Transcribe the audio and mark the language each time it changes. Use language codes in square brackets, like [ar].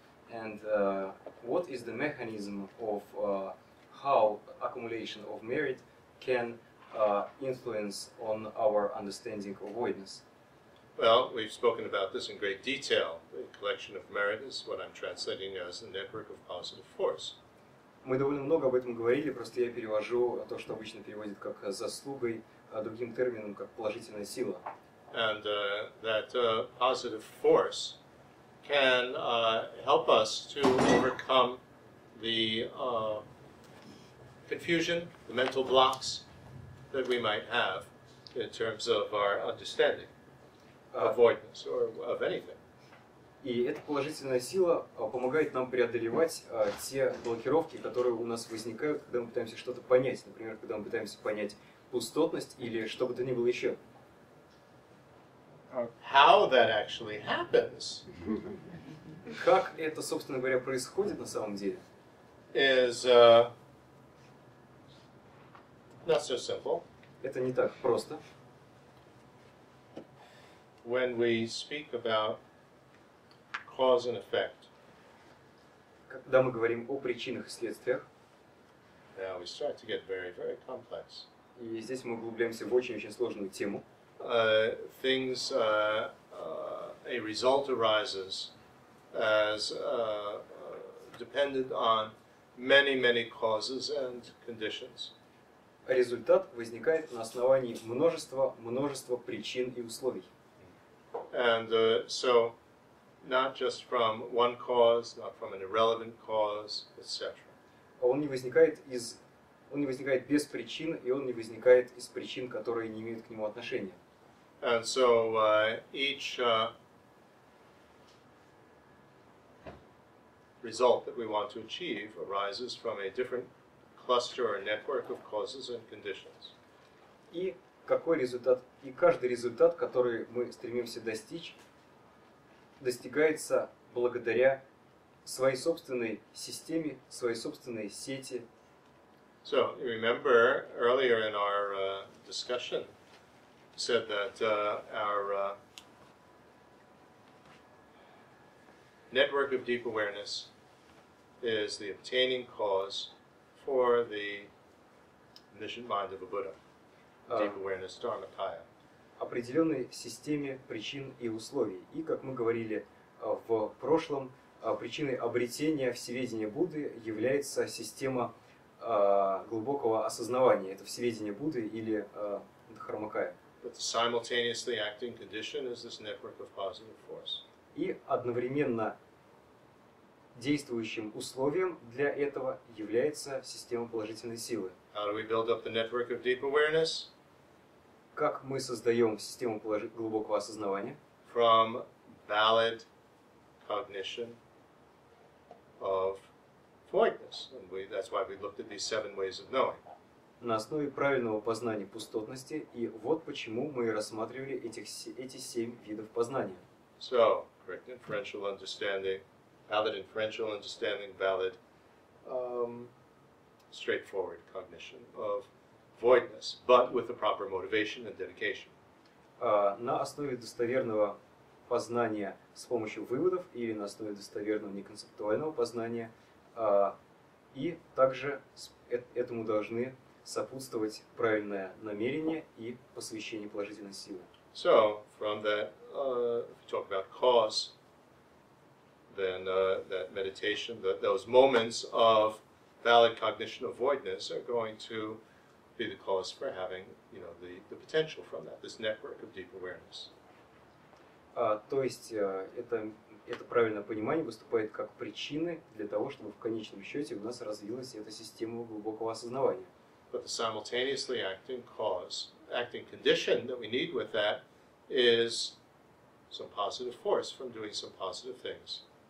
[en] And what is the mechanism of how accumulation of merit can influence on our understanding of voidness? Well, we've spoken about this in great detail. The collection of merit is what I'm translating as the network of positive force. [ru] Мы довольно много об этом говорили, просто я перевожу то, что обычно переводят как заслугой, а другим термином как положительная сила. [en] And that positive force can help us to overcome the confusion, the mental blocks that we might have in terms of our understanding of voidness or of anything. [ru] И эта положительная сила помогает нам преодолевать те блокировки, которые у нас возникают, когда мы пытаемся что-то понять, например, когда мы пытаемся понять пустотность или что бы то ни было еще. [en] How that actually happens? [ru] Как это, собственно говоря, происходит на самом деле? [en] Is not so simple. [ru] Это не так просто. [en] When we speak about cause and effect. [ru] Когда мы говорим о причинах и следствиях. [en] Now we start to get very, very complex. [ru] И здесь мы углубляемся в очень-очень сложную тему. [en] Things, a result arises as dependent on many, many causes and conditions. [ru] Результат возникает на основании множества причин и условий. [en] And so, not just from one cause, not from an irrelevant cause, etc. [ru] Он не возникает из... Он не возникает без причин, и он не возникает из причин, которые не имеют к нему отношения. [en] And so each result that we want to achieve arises from a different cluster or network of causes and conditions. [ru] И какой результат, и каждый результат, который мы стремимся достичь, достигается благодаря своей собственной системе, своей собственной сети. [en] So, you remember earlier in our discussion, you said that our network of deep awareness is the obtaining cause for the omniscient mind of a Buddha, deep awareness, dharmakaya. [ru] Определенной системе причин и условий. И, как мы говорили в прошлом, причиной обретения всеведения Будды является система глубокого осознавания, это всеведение Будды или дхармакая. [en] But the simultaneously acting condition is this network of positive force. [ru] И одновременно действующим условием для этого является система положительной силы. [en] How do we build up the network of deep awareness? [ru] Как мы создаем систему глубокого осознавания? [en] From valid cognition of voidness, and that's why we looked at these seven ways of knowing. [ru] на основе правильного познания пустотности, и вот почему мы рассматривали эти семь видов познания. [en] So, correct inferential understanding, valid inferential understanding, valid straightforward cognition of voidness, but with the proper motivation and dedication. [ru] На основе достоверного познания с помощью выводов или на основе достоверного неконцептуального познания и также этому должны сопутствовать правильное намерение и посвящение положительной силы. [en] So, from that, if you talk about cause, then that meditation, those moments of valid cognition of voidness are going to be the cause for having, you know, the potential from that, this network of deep awareness. [ru] То есть это правильное понимание выступает как причины для того, чтобы в конечном счете у нас развилась эта система глубокого осознавания. [en] But the simultaneously acting cause, acting condition that we need with that is some positive force from doing some positive things.